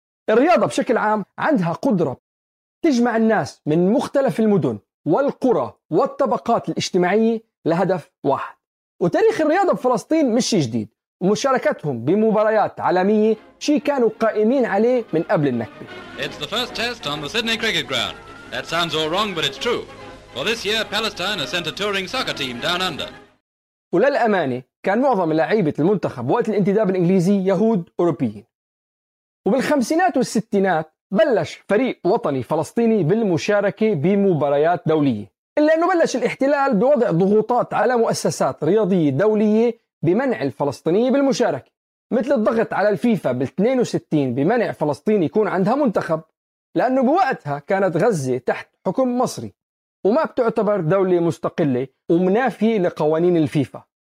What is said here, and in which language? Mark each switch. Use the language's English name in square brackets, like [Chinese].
[Arabic] الرياضة بشكل عام عندها قدرة تجمع الناس من مختلف المدن والقرى والطبقات الاجتماعية لهدف واحد. وتاريخ الرياضة بفلسطين مش جديد، ومشاركتهم بمباريات عالمية شيء كانوا قائمين عليه من قبل النكبة. [English] It's the first test on the Sydney cricket ground. That sounds all wrong, but it's true. For this year, Palestine has sent a touring soccer team down under. [Arabic] وللأمانة كان معظم لاعيبة المنتخب وقت الانتداب الإنجليزي يهود أوروبيين. وبالخمسينات والستينات بلش فريق وطني فلسطيني بالمشاركة بمباريات دولية، إلا أنه بلش الاحتلال بوضع ضغوطات على مؤسسات رياضية دولية بمنع الفلسطينيين بالمشاركة، مثل الضغط على الفيفا بال62 بمنع فلسطين يكون عندها منتخب، لأنه بوقتها كانت غزة تحت حكم مصري وما بتعتبر دولة مستقلة ومنافية لقوانين الفيفا.